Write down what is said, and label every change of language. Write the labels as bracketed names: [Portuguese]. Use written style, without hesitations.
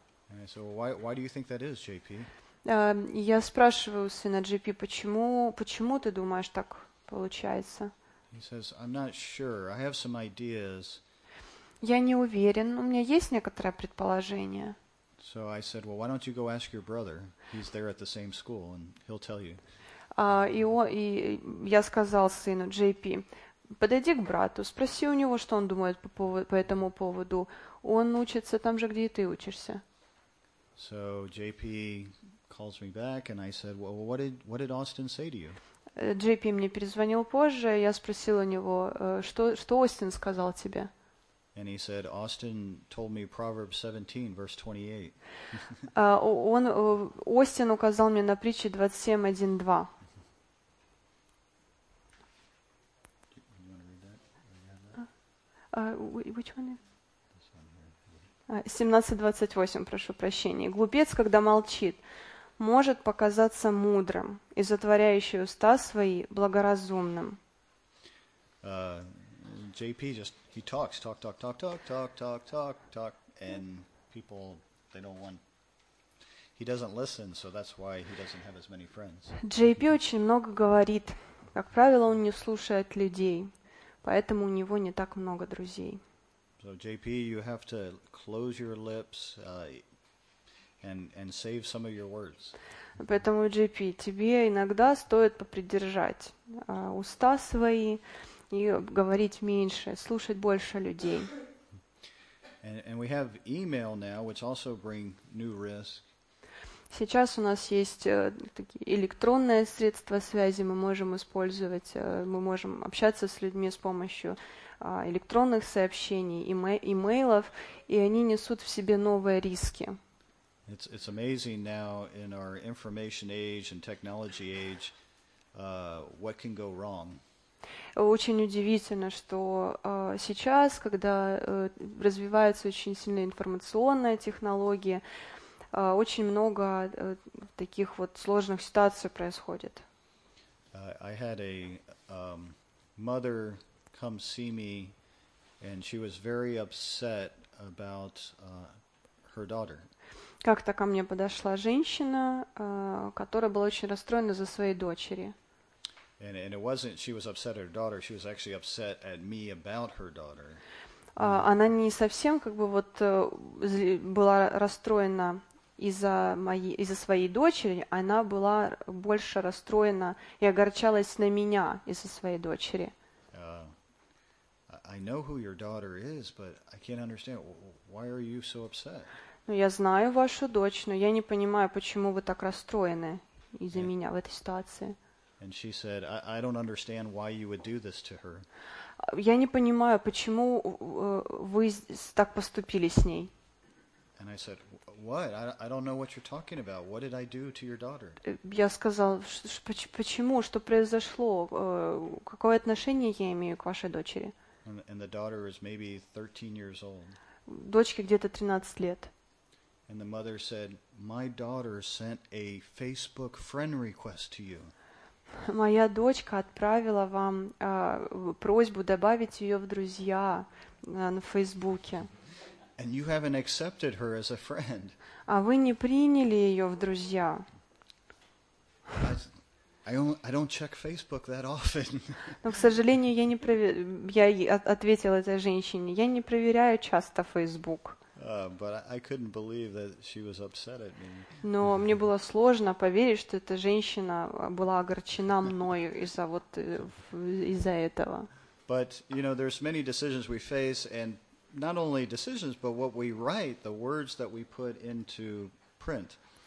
[English] And I said, "Well, why do you think that is, JP?" [Russian] Я спрашиваю сына JP, почему ты думаешь так получается? [English] He says, "I'm not sure. I have some ideas." [Russian] Я не уверен. У меня есть некоторое предположение. [English] So I said, "Well, why don't you go ask your brother? He's there at the same school, and he'll tell you." [Russian] И я сказал сыну JP, подойди к брату, спроси у него, что он думает по этому поводу. Он учится там же, где и ты учишься. [English] So JP calls me back, and I said, "Well, what did Austin say to you?" [Russian] JP мне перезвонил позже, я спросил у него, что Остин сказал тебе. [English] And he said, "Austin told me Proverbs 17, verse 28." [Russian] Он Остин указал мне на притчи 27:1-2. [English] Which one? [Russian] 17:28, прошу прощения. Глупец, когда молчит, может показаться мудрым и затворяющий уста свои благоразумным. [English] JP just he talks talk talk talk talk talk talk talk talk and people they don't want he doesn't listen, so that's why he doesn't have as many friends. [Russian] JP очень много говорит, как правило, он не слушает людей, поэтому у него не так много друзей. [English] So JP, you have to close your lips and save some of your words. [Russian] Поэтому, JP, тебе иногда стоит попридержать уста свои и говорить меньше, слушать больше людей. [English] And we have email now, which also bring new risk. [Russian] Сейчас у нас есть такие электронные средства связи, мы можем использовать, мы можем общаться с людьми с помощью электронных сообщений, имейлов, и они несут в себе новые риски. [English] It's amazing now in our information age and technology age, what can go wrong. [Russian] Очень удивительно, что сейчас, когда развиваются очень сильные информационные технологии, очень много таких вот сложных ситуаций происходит. [English] I had a mother come see me, and she was very upset about her daughter. [Russian] Как-то ко мне подошла женщина, которая была очень расстроена за своей дочери. [English] And it wasn't she was upset at her daughter, she was actually upset at me about her daughter. [Russian] Она не совсем как бы вот была расстроена из-за своей дочери, она была больше расстроена и огорчалась на меня из-за своей дочери. [English] I know who your daughter is, but I can't understand why are you so upset? [Russian] Ну, я знаю вашу дочь, но я не понимаю, почему вы так расстроены из-за меня в этой ситуации. [English] And she said, I don't understand why you would do this to her. [Russian] Я не понимаю, почему вы так поступили с ней. [English] And I said, what? I don't know what you're talking about. What did I do to your daughter? [Russian] Я сказал, почему, что произошло, какое отношение я имею к вашей дочери? [English] And the daughter is maybe 13 years old. [Russian] Дочке где-то 13 лет. [English] And the mother said, my daughter sent a Facebook friend request to you. [Russian] Моя дочка отправила вам просьбу добавить ее в друзья на Фейсбуке. [English] And you haven't accepted her as a friend. [Russian] А вы не приняли ее в друзья. [English] I don't check Facebook that often. [Russian] Но, к сожалению, я не ответил этой женщине. Я не проверяю часто Facebook. [English] But I couldn't believe that she was upset at me. [Russian] Но мне было сложно поверить, что эта женщина была огорчена мною из-за этого. [English] But you know, there's many decisions we face, and not only decisions, but what we write, the words that we put into print.